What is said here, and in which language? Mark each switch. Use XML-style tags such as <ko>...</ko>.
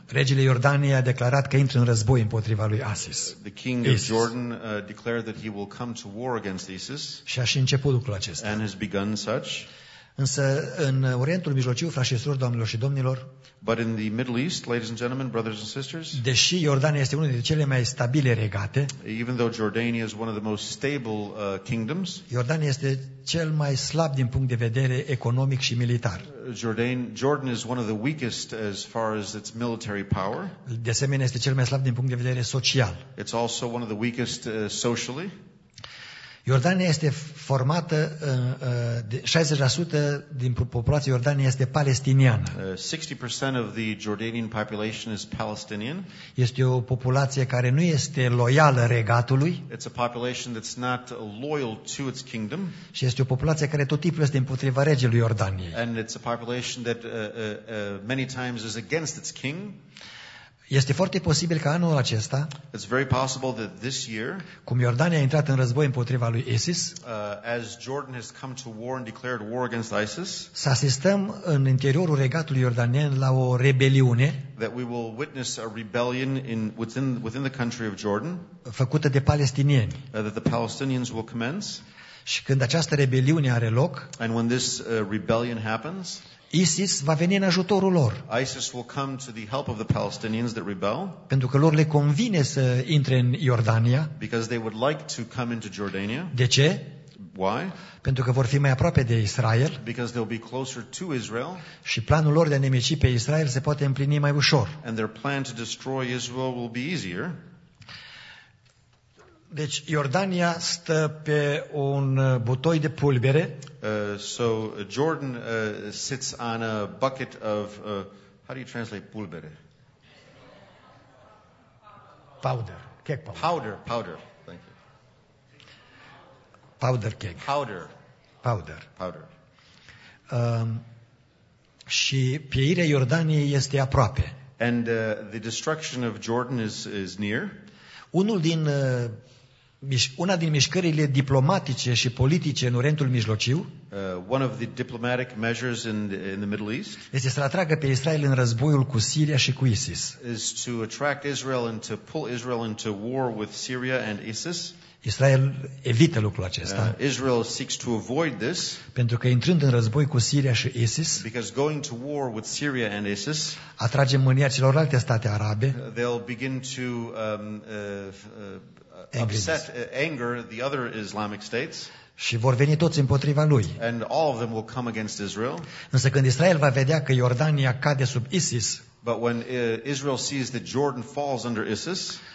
<ro>Regele Iordaniei a declarat că intră în război împotriva lui ISIS.</ro> <en>The king of Jordan declared that he will come to war against ISIS.</en> <ro>Și a și început lucrul acesta.</ro> <en>And has begun such.</en> <ro>Însă în Orientul Mijlociu, frașesor, doamnelor și domnilor,</ro> <en>but in the Middle East, ladies and gentlemen, brothers and sisters,</en> <ro>deși Iordania este unul dintre cele mai stabile regate,</ro> <en>even though Jordania is one of the most stable kingdoms,</en> <ro>Iordania este cel mai slab din punct de vedere economic și militar.</ro> <en>Jordan is one of the weakest as far as its military power.</en> <ro>De asemenea, este cel mai slab din punct de vedere social.</ro> <en>It's also one of the weakest socially.</en> <ro>Iordania este formată, 60% din populația Iordaniei este palestiniană.</ro> <en>60% of the Jordanian population is Palestinian.</en> <ro>Este o populație care nu este loială regatului.</ro> <en>It's a population that's not loyal to its kingdom.</en> <ro>Și este o populație care tot timpul este împotriva regelui Iordaniei.</ro> <en>And it's a population that many times is against its king.</en> <ro>Este foarte posibil ca anul acesta,</ro> <en>it's very possible that this year,</en> <ro>cum Iordania a intrat în război împotriva lui ISIS,</ro> <en>as Jordan has come to war and declared war against ISIS,</en> <ro>să asistăm în interiorul regatului iordanien la o rebeliune,</ro> <en>that we will witness a rebellion in within the country of Jordan,</en> <ro>făcută de palestinieni,</ro> <en>that the Palestinians will commence,</en> <ro>și când această rebeliune are loc,</ro> <en>and when this rebellion happens,</en> <ro>ISIS va veni în ajutorul lor.</ro> <en>ISIS will come to the help of the Palestinians that rebel.</en> <ro>Pentru că lor le convine să intre în Iordania.</ro> <en>Because they would like to come into Jordania.</en> <ro>De ce?</ro> <en>Why?</en> <ro>Pentru că vor fi mai aproape de Israel.</ro> <en>Because they'll be closer to Israel.</en> <ro>Și planul lor de a nemici pe Israel se poate împlini mai ușor.</ro> <en>And their plan to destroy Israel will be easier.</en> <ro>Deci Iordania stă pe un butoi de pulbere.</ro> <en>So Jordan sits on a bucket of how do you translate pulbere? Powder, cake powder. Powder. Thank you. Powder cake. Powder.</en> <ro>Și pieirea Iordaniei este aproape.</ro> <en>And the destruction of Jordan is near.</en> <ro>Unul din Una din mișcările diplomatice și politice în Orientul Mijlociu</ro> <en>one of the diplomatic measures in the Middle East</en> <ro>este să atragă pe Israel în războiul cu Siria și cu ISIS.</ro> <en>Is to attract Israel and to pull Israel into war with Syria and ISIS.</en> <ro>Israel evită lucrul acesta.</ro> <en>Israel seeks to avoid this.</en> <ro>Pentru că intrând în război cu Siria și ISIS,</ro> <en>because going to war with Syria and ISIS,</en> <ro>atrage mânia celorlalte state arabe.</ro> <en>They'll begin to upset anger the other Islamic states.</en> <ro>Și vor veni toți împotriva lui.</ro> <en>And all of them will come against Israel.</en> <ro>Însă când Israel va vedea că Iordania cade sub ISIS,</ro> <en>but when Israel sees that Jordan falls under ISIS,</en>